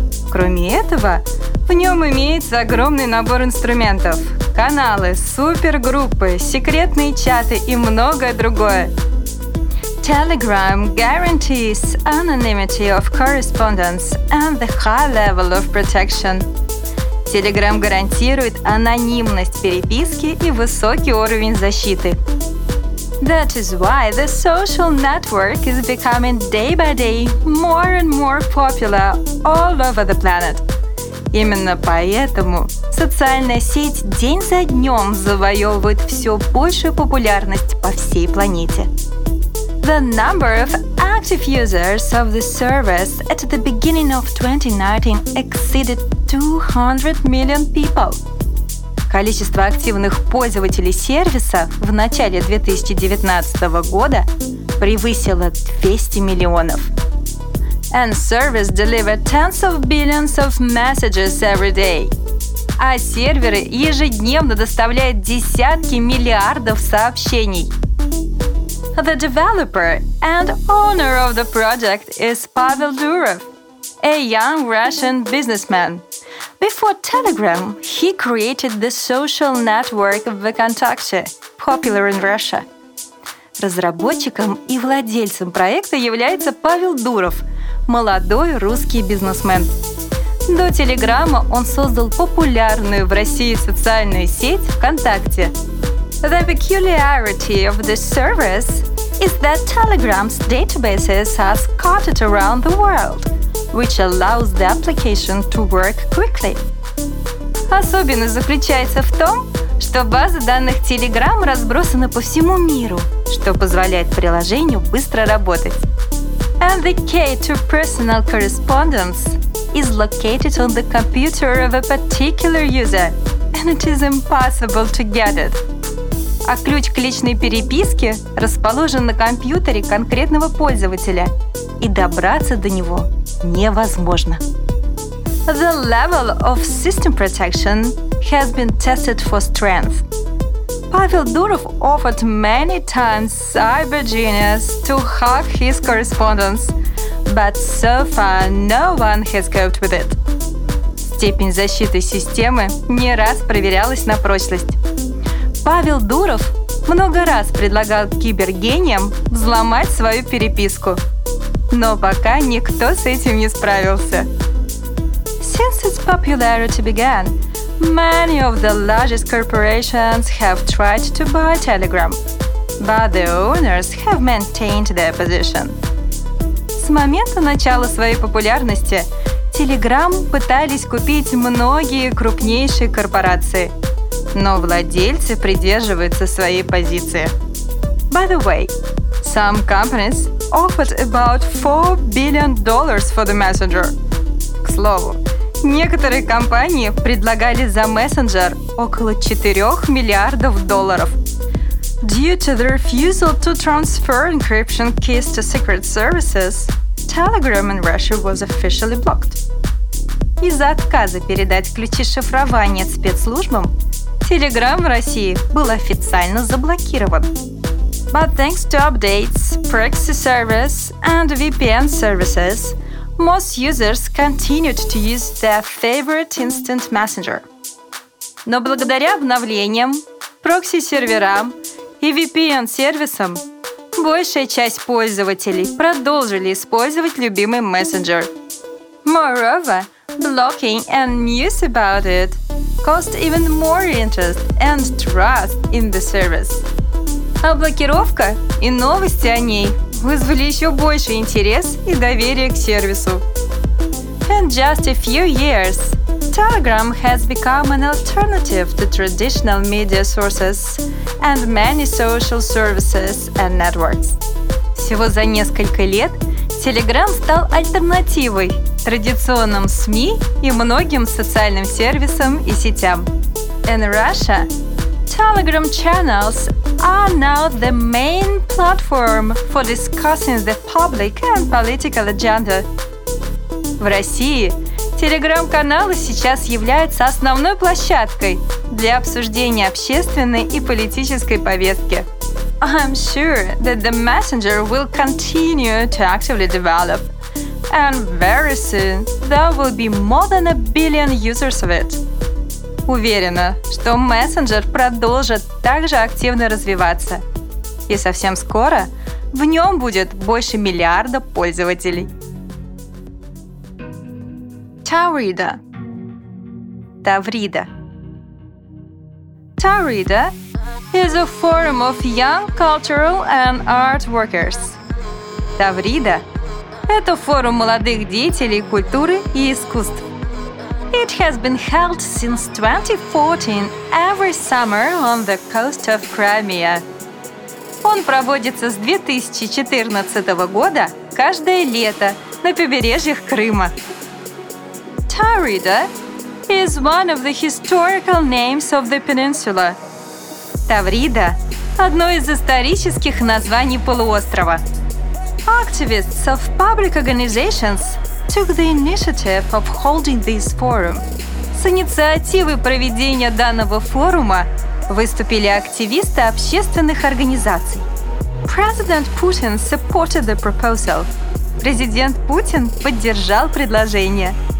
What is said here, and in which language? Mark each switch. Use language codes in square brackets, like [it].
[ru] Кроме этого, в нем имеется огромный набор инструментов — каналы, супергруппы, секретные чаты и многое другое. [en] Telegram guarantees anonymity of correspondence and the high level of protection. [ru] Telegram гарантирует анонимность переписки и высокий уровень защиты. [en] That is why the social network is becoming day by day more and more popular all over the planet. [ru] Именно поэтому социальная сеть день за днем завоевывает все большую популярность по всей планете. [en] The number of active users of the service at the beginning of 2019 exceeded 200 million people. [ru] Количество активных пользователей сервиса в начале 2019 года превысило 200 миллионов. [en] And service delivered tens of billions of messages every day. [ru] А серверы ежедневно доставляют десятки миллиардов сообщений. [en] The developer and owner of the project is Pavel Durov, a young Russian businessman. Before Telegram, he created the social network ВКонтакте, popular in Russia. [ru] Разработчиком и владельцем проекта является Павел Дуров, молодой русский бизнесмен. До Телеграма он создал популярную в России социальную сеть ВКонтакте. [en] The peculiarity of the service is that Telegram's databases are scattered around the world, which allows the application to work quickly. [ru] Особенность заключается в том, что базы данных Telegram разбросаны по всему миру, что позволяет приложению быстро работать. [en] And the key to personal correspondence is located on the computer of a particular user, and it is impossible to get it. [ru] А ключ к личной переписке расположен на компьютере конкретного пользователя, и добраться до него невозможно. [en] The level of system protection has been tested for strength. Pavel Durov offered many times cyber genius to hack his correspondence, but so far no one has coped with it. [ru] Степень защиты системы не раз проверялась на прочность. Павел Дуров много раз предлагал кибергениям взломать свою переписку, но пока никто с этим не справился. [en] Since its popularity began, many of the largest corporations have tried to buy Telegram, but the owners have maintained their position. [ru] С момента начала своей популярности Telegram пытались купить многие крупнейшие корпорации. Но владельцы придерживаются своей позиции. [en] By the way, some companies offered about $4 billion for the messenger. [ru] К слову. Некоторые компании предлагали за мессенджер около 4 миллиардов долларов. [en] Due to the refusal to transfer encryption keys to secret services, Telegram in Russia was officially blocked. [ru] Из-за отказа передать ключи шифрования спецслужбам, Telegram в России был официально заблокирован. [en] But thanks to updates, proxy service and VPN services, most users continued to use their favorite instant messenger. [ru] Но благодаря обновлениям, прокси-серверам и VPN-сервисам большая часть пользователей продолжили использовать любимый мессенджер. [en] Moreover, blocking and news about it caused even more interest and trust in the service. [ru] А блокировка и новости о ней вызвали еще больше интерес и доверие к сервису. [en] In just a few years, Telegram has become an alternative to traditional media sources and many social services and networks. [ru] Всего за несколько лет Telegram стал альтернативой традиционным СМИ и многим социальным сервисам и сетям. [en] In Russia, Telegram channels are now the main platform for discussing the public and political agenda. [ru] В России Telegram-каналы сейчас являются основной площадкой для обсуждения общественной и политической повестки. [en] I'm sure that the messenger will continue to actively develop, and very soon there will be more than a billion users of it. [ru] Уверена, что мессенджер продолжит также активно развиваться. И совсем скоро в нем будет больше миллиарда пользователей. Таврида. Таврида. [en] Таврида is a forum of young cultural and art workers. [ru] Таврида – это форум молодых деятелей культуры и искусств. [en] It has been held since 2014 every summer on the coast of Crimea. [ru] Он проводится с 2014 года каждое лето на побережьях Крыма. [en] Таврида is one of the historical names of the peninsula. [ru] Таврида – одно из исторических названий полуострова. [en] Activists of public organizations took the initiative of holding this forum. [ru] С инициативой проведения данного форума выступили активисты общественных организаций. [en] President Putin supported the proposal. [ru] Президент Путин поддержал предложение.